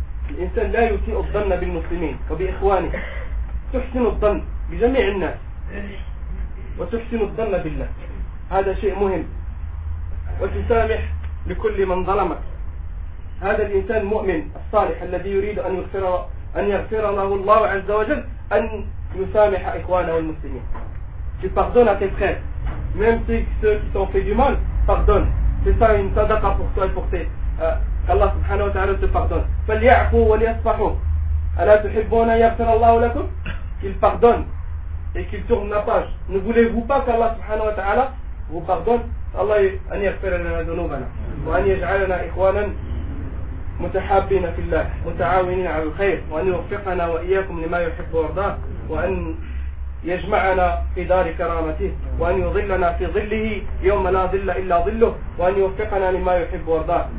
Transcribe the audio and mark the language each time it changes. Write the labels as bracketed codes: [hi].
[ar] الإنسان لا يسيء الظن بالمسلمين وبإخوانه. تحسن الظن بجميع الناس وتحسن الظن بالله هذا شيء مهم. وتسامح لكل من ظلمك. هذا الإنسان المؤمن الصالح الذي يريد أن يغفر له الله عز وجل أن يسامح إخوانه المسلمين. [fr] Tu pardonnes à tes frères, même si ceux qui t'ont fait du mal, pardonne. C'est ça une sadaqa pour toi et pour tes. Allah subhanahu wa ta'ala te pardonne. [ar] فليعفوا وليصفحوا. ألا تحبون أن يغفر الله لكم؟ [fr] Qu'il pardonne et qu'il tourne la page. Ne voulez-vous pas qu'Allah subhanahu wa ta'ala vous pardonne? [ar] الله أن يغفر لنا ذنوبنا وأن يجعلنا إخوانا متحابين في الله متعاونين على الخير وأن يوفقنا وإياكم لما يحب ويرضاه وأن يجمعنا في دار كرامته وأن يظلنا في ظله يوم لا ظل إلا ظله وأن يوفقنا لما يحب ويرضاه.